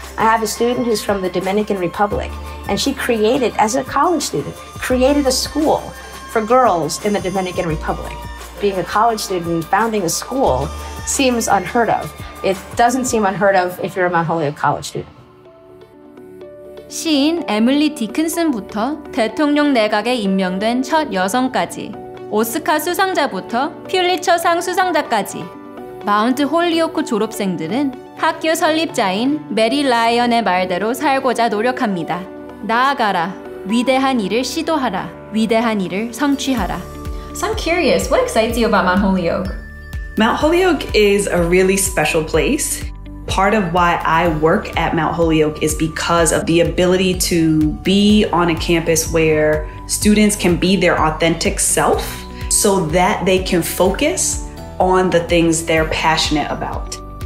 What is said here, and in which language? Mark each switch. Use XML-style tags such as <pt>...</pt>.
<en>I have a student who's from the Dominican Republic, and she created, as a college student, created a school for girls in the Dominican Republic. Being a college student, founding a school seems unheard of. It doesn't seem unheard of if you're a Mount Holyoke college student.</en> <ko>시인 에밀리 디킨슨부터 대통령 내각에 임명된 첫 여성까지, 오스카 수상자부터 퓰리처상 수상자까지, 마운트 홀리오크 졸업생들은 학교 설립자인 메리 라이언의 말대로 살고자 노력합니다. 나아가라, 위대한 일을 시도하라, 위대한 일을 성취하라.</ko> <en>So I'm curious, what excites you about Mount Holyoke? Mount Holyoke is a really special place. Part of why I work at Mount Holyoke is because of the ability to be on a campus where students can be their authentic self so that they can focus on the things they're passionate about.</en>